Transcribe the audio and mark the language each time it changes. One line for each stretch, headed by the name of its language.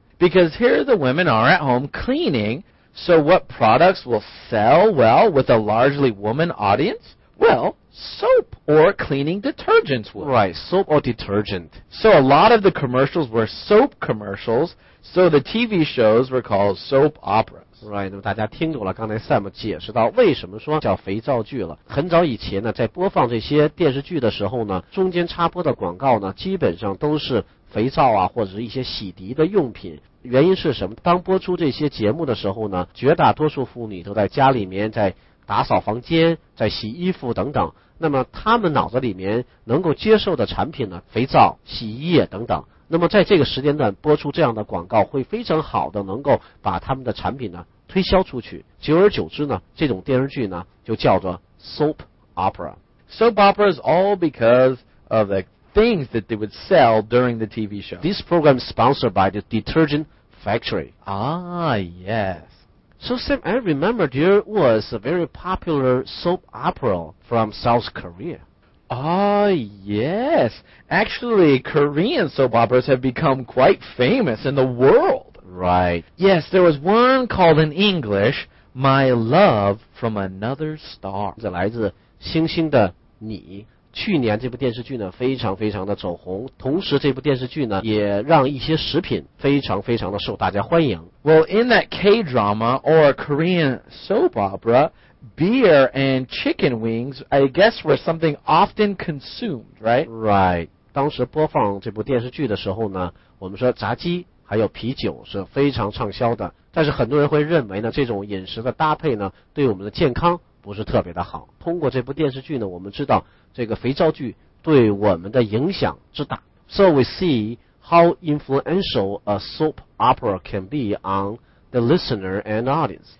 English: Because here the women are at home cleaning, so what products will sell well with a largely woman audience? Well, soap or cleaning detergents will. Right, soap or detergent. So a lot of the commercials were soap commercials, so the TV shows were called soap operas.
Chinese: Right, 那么大家听懂了刚才 Sam 解释到为什么说叫肥皂剧了。很早以前呢，在播放这些电视剧的时候呢，中间插播的广告呢，基本上都是肥皂啊，或者是一些洗涤的用品。原因是什么？当播出这些节目的时候呢，绝大多数妇女都在家里面在打扫房间，在洗衣服等等。那么她们脑子里面能够接受的产品呢，肥皂、洗衣液等等。那么在这个时间段播出这样的广告会非常好的能够把他们的产品呢推销出去，久而久之呢，这种电视剧呢就叫做 soap opera.
English: Soap opera is all because of the things that they would sell during the TV show. This program is sponsored by the detergent factory. Ah, yes. So Sam, I remember there was a very popular soap opera from South Korea. Ah, yes. Actually, Korean soap operas have become quite famous in the world. Right. Yes, there was one called in English, My Love from Another Star.
Chinese: 这来自星星的你。去年这部电视剧呢，非常非常的走红，同时这部电视剧呢，也让一些食品非常非常的受大家欢迎。
English: Well, in that K-drama or Korean soap opera,Beer and chicken wings, I guess, were something often consumed, right? Right.
Chinese: 当时播放这部电视剧的时候呢，我们说炸鸡还有啤酒是非常畅销的。但是很多人会认为呢，这种饮食的搭配呢，对我们的健康不是特别的好。通过这部电视剧呢，我们知道这个肥皂剧对我们的影响之大。
English: So we see how influential a soap opera can be on the listener and audience.